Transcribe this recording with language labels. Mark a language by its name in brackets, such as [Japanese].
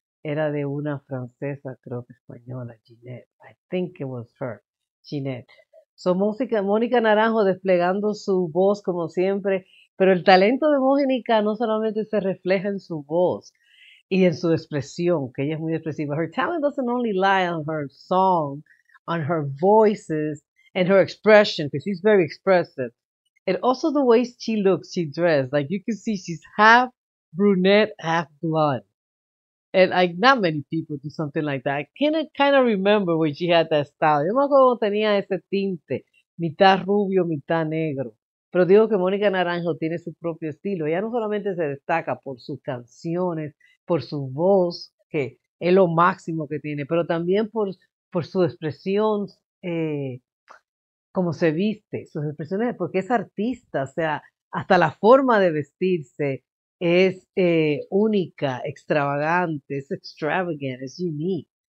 [Spanish] Era de una francesa, creo que española, Ginette. [English] I think it was her, [Spanish] Ginette. Son música, Mónica Naranjo desplegando su voz como siempre. Pero el talento de Mónica no solamente se refleja en su voz. Y en su expresión, que ella es muy expresiva. [English] Her talent doesn't only lie on her song, on her voices, and her expression, because she's very expressive. And also the way she looks, she dressed. Like you can see, she's half brunette, half blonde. And like not many people do something like that. I can't kind of remember when she had that style. [Spanish] Yo me acuerdo cuando tenía ese tinte, mitad rubio, mitad negro. Pero digo que Mónica Naranjo tiene su propio estilo. Ella no solamente se destaca por sus canciones, por su voz, que es lo máximo que tiene, pero también por su expresión, cómo se viste, sus expresiones, porque es artista, o sea, hasta la forma de vestirse es única, extravagante, es extravagant, es unique.